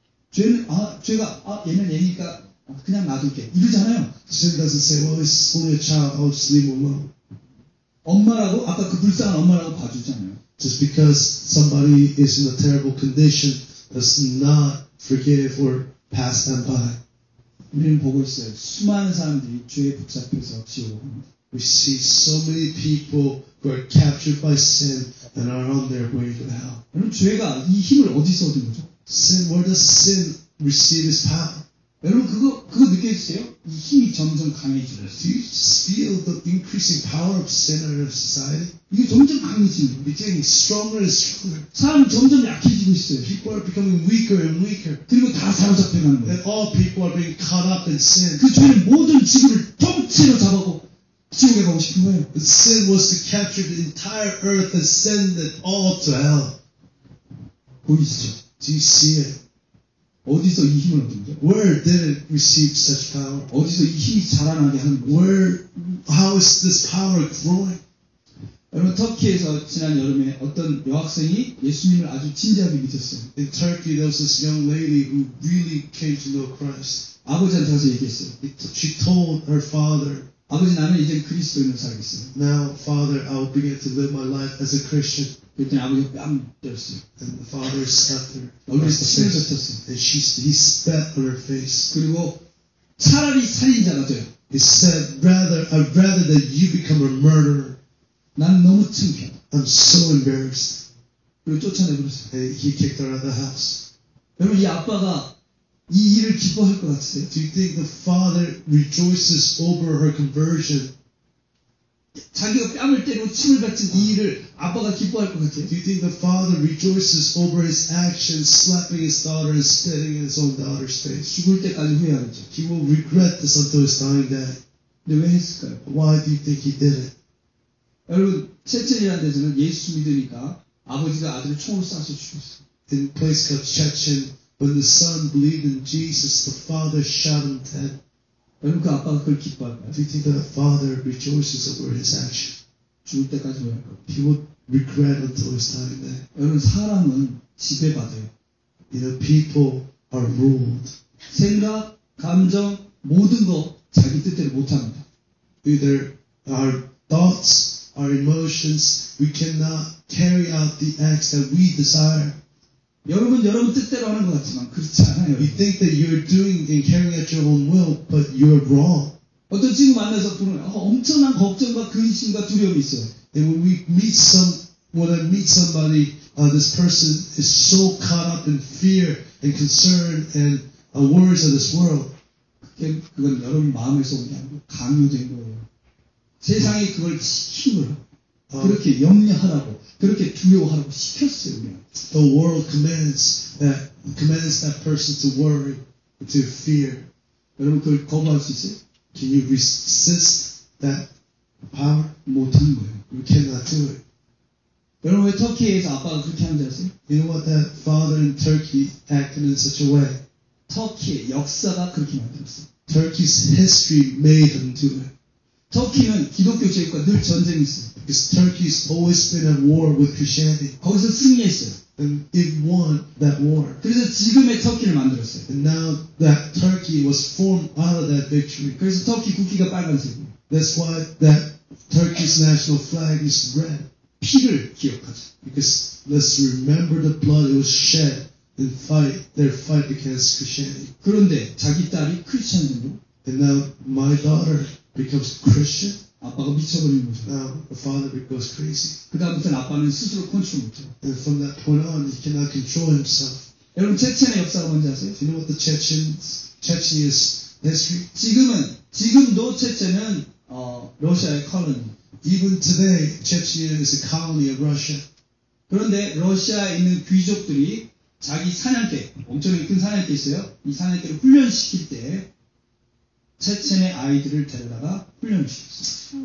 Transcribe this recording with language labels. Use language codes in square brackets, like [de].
[ko] 죄는 아 죄가 아 얘는 얘니까 그냥 놔둘게 이러잖아요. [en] Sin doesn't say, well, it's only a child. I'll just leave him alone. [ko] 엄마라고 아까 그 불쌍한 엄마라고 봐주잖아요. [en] Just because somebody is in a terrible condition does not forgive or pass them by. [ko] 우리는 보고 있어요. 수많은 사람들이 죄에 복잡해서 지옥을 갑니다. [en] We see so many people who are captured by sin and are on their way to hell. [ko] 그럼 죄가 이 힘을 어디서 얻은 거죠? [en] Sin, where does sin receive its power? [ko] 여러분 그거 느껴지세요? 이 힘이 점점 강해지죠. [en] Do you feel the increasing power of sin in our society? [ko] 이게 점점 강해지죠. [en] It's getting stronger and stronger. [ko] 사람은 점점 약해지고 있어요. [en] People are becoming weaker and weaker. [ko] 그리고 다 사로잡혀가는 거예요. [en] And all people are being caught up in sin. [ko] 그 죄는 모든 지구를 통째로 잡아고 지옥에 가고 싶은 거예요. [en] But sin was to capture the entire earth and send it all to hell. [ko] 보이시죠? [en] Do you see it? [ko] 어디서 이 힘을 얻은 거죠? [en] Where did it receive such power? [ko] 어디서 이 힘이 자라나게 하는 거죠? [en] Where, how is this power growing? [ko] 여러분, 터키에서 지난 여름에 어떤 여학생이 예수님을 아주 진지하게 믿었어요. [en] In Turkey, there was this young lady who really came to know Christ. [ko] 아버지한테 와서 얘기했어요. [en] She told her father, [ko] 아버지, 나는 이제 그리스도인으로 살겠어요. [en] Now, father, I will begin to live my life as a Christian. [ko] 그랬더니 아버지가 뺨 때렸어요. [en] And the father slapped her. [ko] 얼굴에서 침을 뱉었어요. [en] And he spat on her face. [ko] 그리고 차라리 살인자가 돼요. [en] He said, rather, I'd rather that you become a murderer. [ko] 난 너무 창피해. [en] I'm so embarrassed. [ko] 그리고 쫓아내버렸어요. [en] He kicked her out of the house. [ko] 여러분, 이 아빠가 이 일을 기뻐할 것 같으세요? [en] Do you think the father rejoices over her conversion? [ko] 자기가 뺨을 때리고 침을 뱉은 이 일을 아빠가 기뻐할 것 같아요. [en] Do you think the father rejoices over his action, slapping his daughter and spitting in his own daughter's face? [ko] 죽을 때까지 후회하겠죠. [en] He will regret this until his dying day. [ko] 근데 왜 했을까요? [en] Why do you think he did it? [ko] 여러분, 체첸이라는 데서는 예수 믿으니까 아버지가 아들을 총으로 쏴서 죽였어요. [en] In a place called Chechen, when the son believed in Jesus, the father shot him dead. [ko] 여러분, 그 아빠가 그걸 기뻐할까요? [en] Do you think that a father rejoices over his action? [ko] 죽을 때까지 뭐랄까요? [en] He would regret until his dying day. [ko] 여러분, 사람은 지배받아요. [en] You know, people are ruled. [ko] 생각, 감정, 모든 거 자기 뜻대로 못합니다. [en] Either our thoughts, our emotions, we cannot carry out the acts that we desire. [ko] 여러분 여러분 뜻대로 하는 것 같지만 그렇지 않아요. [en] You think that you're doing and carrying out your own will, but you're wrong. [ko] 어떤 친구 만나서 보면 엄청난 걱정과 근심과 두려움이 있어요. [en] And when we meet somebody, this person is so caught up in fear and concern and worries of this world. [ko] 그건 여러분 마음에서 그냥 강요된 거예요. 세상이 그걸 시키므로 그렇게 염려하라고. 그렇게 두려워하라고 시켰어요. 그냥. [en] The world commands that person to worry, to fear. [ko] 여러분 그걸 거부할 수 있어요? [en] Can you resist that power? [ko] 못하는 거예요. [en] You cannot do it. [ko] 여러분 왜 터키에서 아빠가 그렇게 하는 줄 아세요? [en] You know what that father in Turkey acted in such a way? [ko] 터키의 역사가 그렇게 만들었어요. [en] Turkey's history made him do it. [ko] 터키는 기독교 제국과 늘 전쟁이 있어요. [en] Because Turkey has always been at war with Christianity. [ko] 거기서 승리했어요. [en] And it won that war. [ko] 그래서 지금의 터키를 만들었어요. [en] And now that Turkey was formed out of that victory. [ko] 그래서 터키 국기가 빨간색이에요. [en] That's why that Turkey's national flag is red. [ko] 피를 기억하죠. [en] Because let's remember the blood it was shed in their fight against Christianity. [ko] 그런데 자기 딸이 크리스천으로. [en] And now my daughter becomes Christian. [ko] 아빠가 미쳐버리는 거죠. [en] Now, the father becomes crazy. [ko] 그 다음부터는 아빠는 스스로 컨트롤 못해요. [en] And from that point on, he cannot control himself. [ko] 여러분, 체첸의 역사가 뭔지 아세요? [en] Do you know what the Chechen's history? [ko] 지금도 체첸은 러시아의 콜로니. [en] Even today, Chechnya is a colony of Russia. [ko] 그런데 러시아에 있는 귀족들이 자기 사냥개, 엄청 큰 사냥개 있어요. 이 사냥개를 훈련시킬 때 체첸의 아이들을 데려다가 훈련을 시켰어요.